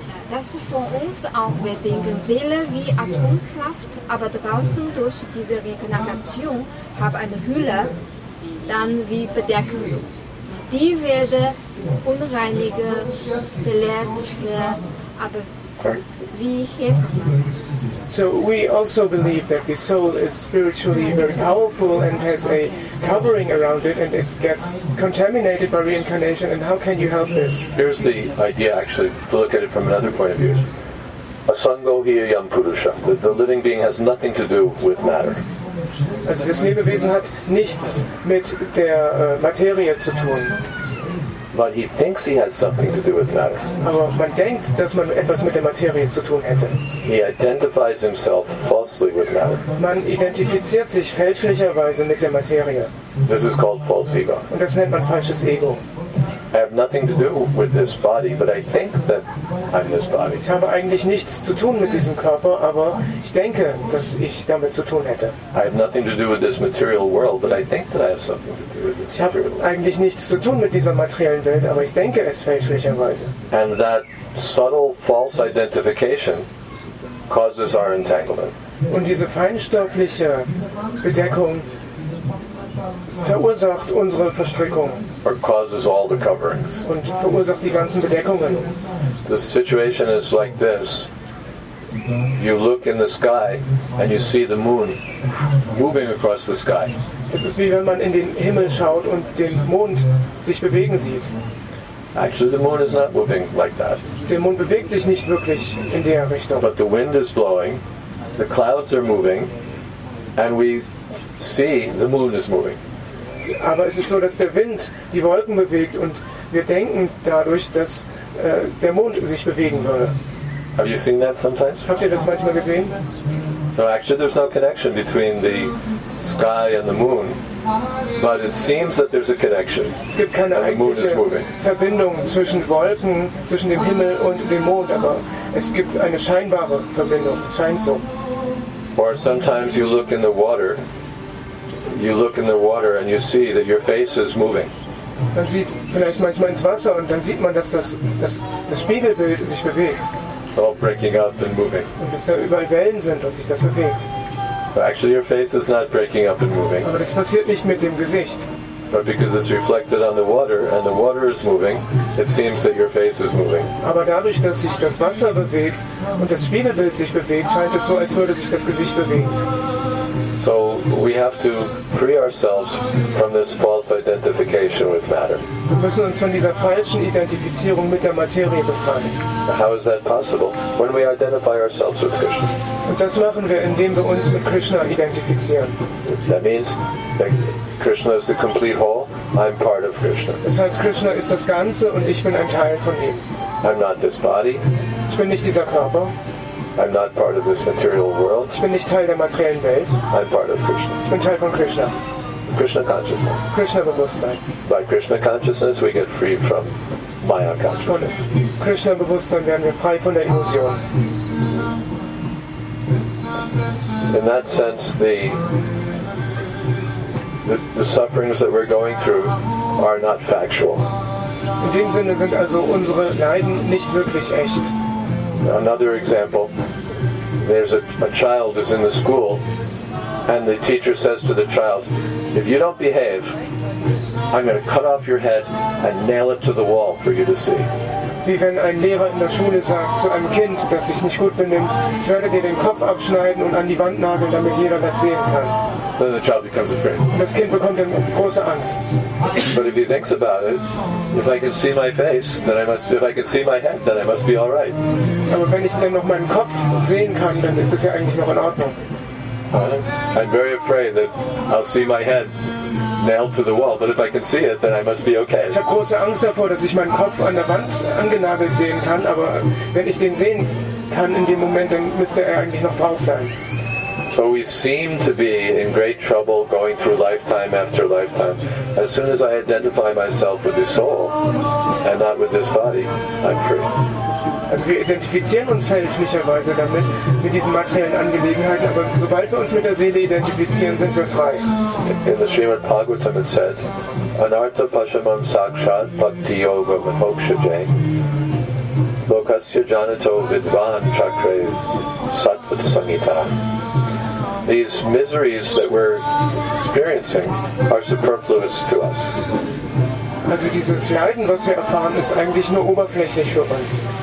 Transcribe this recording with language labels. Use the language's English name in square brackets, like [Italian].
[German] Das ist von uns auch, wir denken, Seele wie Atomkraft, aber draußen durch diese Regeneration haben eine Hülle, dann wie bedecken. Die werden unreinige, verletzt, aber wie hilft man? [English] So we also believe that the soul is spiritually very powerful and has a covering around it, and it gets contaminated by reincarnation, and how can you help this? Here's the idea, actually, to look at it from another point of view. [Sanskrit] Asango hiyam purusha. [English] The living being has nothing to do with matter. [German] Also das Lebewesen hat nichts mit der Materie zu tun. [English] But he thinks he has something to do with matter. [German] Aber man denkt, dass man etwas mit der Materie zu tun hätte. [English] He identifies himself falsely with matter. [German] Man identifiziert sich fälschlicherweise mit der Materie. [English] This is called false ego. [German] Und das nennt man falsches Ego. [English] I have nothing to do with this body, but I think that I'm this body. [German] Ich habe eigentlich nichts zu tun mit diesem Körper, aber ich denke, dass ich damit zu tun hätte. [English] I have nothing to do with this material world, but I think that I have something to do with this material world. [German] Ich habe eigentlich nichts zu tun mit dieser materiellen Welt, aber ich denke es fälschlicherweise. [English] And that subtle false identification causes our entanglement. [German] und diese feinstoffliche Bedeckung verursacht unsere Verstrickung. [English] Or causes all the coverings. [German] Und verursacht die ganzen Bedeckungen. [English] The situation is like this. You look in the sky and you see the moon moving across the sky. [German] Es ist wie wenn man in den Himmel schaut und den Mond sich bewegen sieht. [English] Actually, the moon is not moving like that. [German] Der Mond bewegt sich nicht wirklich in der Richtung. [English] But the wind is blowing, the clouds are moving, and we see the moon is moving. [German] Aber es ist so, dass der Wind die Wolken bewegt und wir denken dadurch, dass der Mond sich bewegen würde. [English] Have you seen that sometimes? [German] Habt ihr das manchmal gesehen? [English] No, actually, there's no connection between the sky and the moon, but it seems that there's a connection. [German] Es gibt keine eigentliche Verbindung zwischen Wolken, zwischen dem Himmel und dem Mond, aber es gibt eine scheinbare Verbindung. Es scheint so. [English] Or sometimes you look in the water. You look in the water and you see that your face is moving. [German] Man sieht vielleicht manchmal ins Wasser und dann sieht man, dass das Spiegelbild sich bewegt. [English] All breaking up and moving. [German] Und dass da überall Wellen sind und sich das bewegt. [English] But actually, your face is not breaking up and moving. [German] Aber das passiert nicht mit dem Gesicht. [English] But because it's reflected on the water and the water is moving, it seems that your face is moving. [German] Aber dadurch, dass sich das Wasser bewegt und das Spiegelbild sich bewegt, scheint es so, als würde sich das Gesicht bewegen. [English] So we have to free ourselves from this false identification with matter. [German] Wir müssen uns von dieser falschen Identifizierung mit der Materie befreien. [English] How is that possible? When we identify ourselves with Krishna. [German] Und das machen wir, indem wir uns mit Krishna identifizieren. [English] That means that Krishna is the complete whole. I'm part of Krishna. [German] Das heißt, Krishna ist das Ganze und ich bin ein Teil von ihm. [English] I'm not this body. [German] Ich bin nicht dieser Körper. [English] I'm not part of this material world. [German] Ich bin nicht Teil der materiellen Welt. [English] I'm part of Krishna. [German] Ich bin Teil von Krishna. [English] Krishna consciousness. [German] Krishna Bewusstsein. [English] By Krishna consciousness, we get free from Maya consciousness. [German] Von Krishna Bewusstsein werden wir frei von der Illusion. [English] In that sense, the sufferings that we're going through are not factual. [German] In dem Sinne sind also unsere Leiden nicht wirklich echt. [English] Another example, there's a child is in the school and the teacher says to the child, if you don't behave, I'm going to cut off your head and nail it to the wall for you to see. [German] Wie wenn ein Lehrer in der Schule sagt zu einem Kind, das sich nicht gut benimmt, ich werde dir den Kopf abschneiden und an die Wand nageln, damit jeder das sehen kann. [English] Then the child becomes afraid. [German] Das Kind bekommt dann große Angst. [English] But if he thinks about it, if I can see my face, then I must. If I can see my head, then I must be all right. [German] Aber wenn ich dann noch meinen Kopf sehen kann, dann ist es ja eigentlich noch in Ordnung. [English] I'm very afraid that I'll see my head nailed to the wall, but if I can see it, then I must be okay. [German] Ich habe große Angst davor, dass ich meinen Kopf an der Wand angenagelt sehen kann, aber wenn ich den sehen kann in dem Moment, dann müsste er eigentlich noch drauf sein. [English] So we seem to be in great trouble going through lifetime after lifetime. As soon as I identify myself with the soul and not with this body, I'm free. [German] Also wir identifizieren uns fälschlicherweise damit, mit diesen materiellen Angelegenheiten, aber sobald wir uns mit der Seele identifizieren, sind wir frei. [English] In the Srimad Bhagavatam it says, [Sanskrit] Anartha Pashamam Sakshat Bhakti Yoga Mahoksha Jain Lokasya Janato Vidvan Chakra Satvata Samhita. [English] These miseries that we're experiencing are superfluous to us. [German] Also dieses Leiden, was wir erfahren, ist eigentlich nur oberflächlich für uns.